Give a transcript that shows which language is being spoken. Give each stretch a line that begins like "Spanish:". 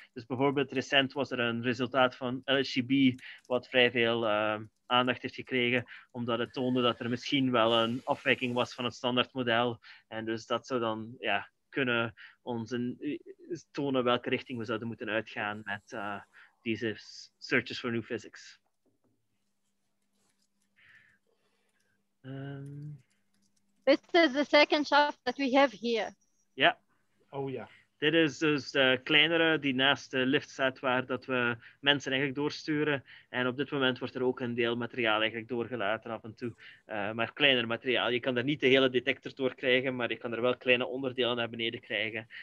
Dutch: Dus bijvoorbeeld recent was er een resultaat van LHCb wat vrij veel aandacht heeft gekregen, omdat het toonde dat er misschien wel een afwijking was van het standaardmodel. En dus dat zou dan kunnen ons tonen welke richting we zouden moeten uitgaan met deze
English: searches for new physics. This is the second shaft that we have here. Yeah. Oh yeah.
Dutch: Dit is dus de kleinere die naast de lift staat waar dat we mensen eigenlijk doorsturen. En op dit moment wordt er ook een deel materiaal eigenlijk doorgelaten af en toe. Maar kleiner materiaal. Je kan er niet de hele detector door krijgen, maar je kan er wel kleine onderdelen naar beneden krijgen.